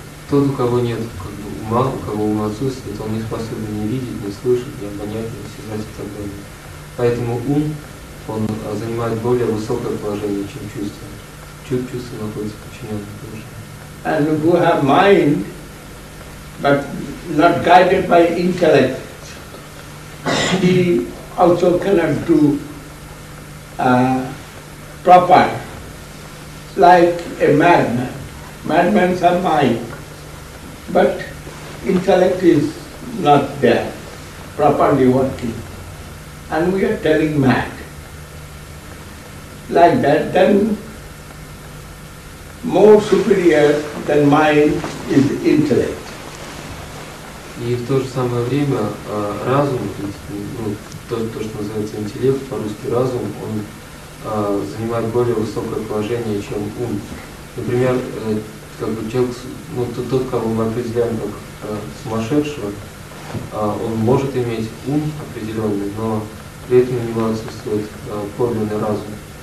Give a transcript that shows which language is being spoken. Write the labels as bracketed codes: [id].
[ru] Тот, у кого нет ума, у кого ума отсутствует, он не способен ни видеть, ни слышать, ни понять, ни осознать и так далее. Поэтому ум, он занимает более высокое положение, чем чувство. Чувство находится подчиненным тоже. [en] And who have mind, but not guided by intellect, he also cannot do proper, like a madman. Madmen have mind, but intellect is not there, properly working. And we are telling mad. Like that, then more superior than mind is intellect. [ru] И в то же самое время разум, то есть, ну, то, что называется интеллект, по-русски разум, он занимает более высокое положение, чем ум. Например, как бы человек, ну, тот, кого мы определяем как сумасшедшего, он может иметь ум определенный, но при этом у него отсутствует подлинный разум.